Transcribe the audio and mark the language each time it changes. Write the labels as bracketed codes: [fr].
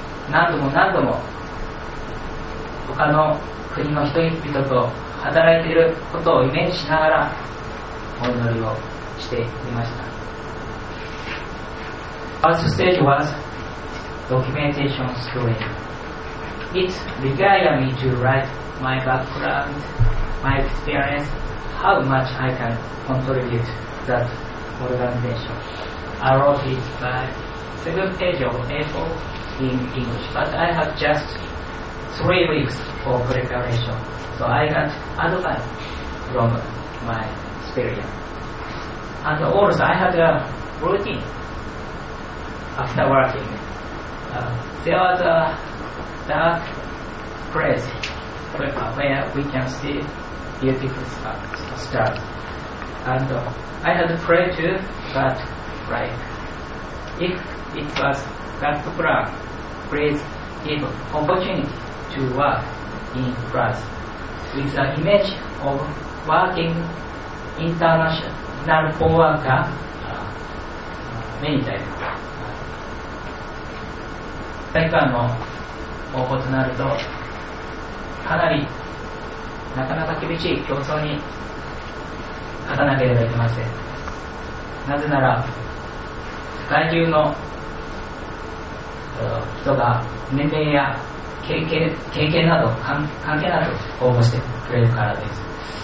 [ja] 何度も何度も他の国の人々と働いていることをイメージしながらお祈りをしていました。 [en] First stage was documentation screening. It required me to writemy background, my experience, how much I can contribute to that organization. I wrote it by 7 pages of A4 in English, but I have just 3 weeks for preparation, so I got advice from my experience. And also I had a routine after working. There was a dark place where we can see beautiful stars. And I had prayed to God, like, if it was God's plan, please give opportunity to work in France with the image of working international for worker many times. [ja] 体感の方法となると、かなりなかなか厳しい競争に勝たなければいけません。なぜなら、世界中の人が年齢や経験など関係なく応募してくれるからです。